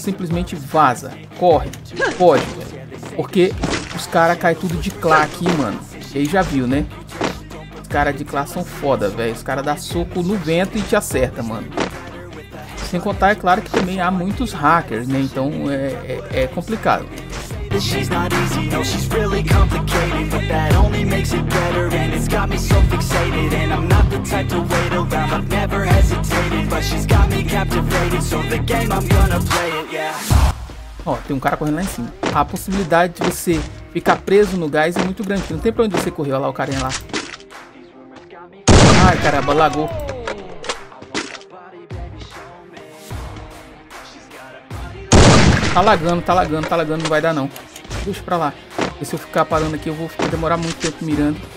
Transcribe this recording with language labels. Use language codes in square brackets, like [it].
[pt] Simplesmente vaza, corre, foge. Porque os caras caem tudo de clá aqui, mano. E aí já viu, né? Os caras de clá são foda, velho. Os caras dão soco no vento e te acerta, mano. Sem contar, é claro, que também há muitos hackers, né? Então é complicado. [en] She's not easy, no, she's really complicated. But that only makes it better, and it's got me so fixated. And I'm not the type to wait around, I've never hesitated. But she's got me captivated, so the game, I'm gonna play it, yeah. [pt] Ó, tem um cara correndo lá em cima. A possibilidade de você ficar preso no gás é muito grande. Não tem pra onde você correr, olha lá o carinha lá. Ai, caramba, lagou. Tá lagando, não vai dar não. Deixa pra lá. E se eu ficar parando aqui, eu vou ficar demorar muito tempo mirando.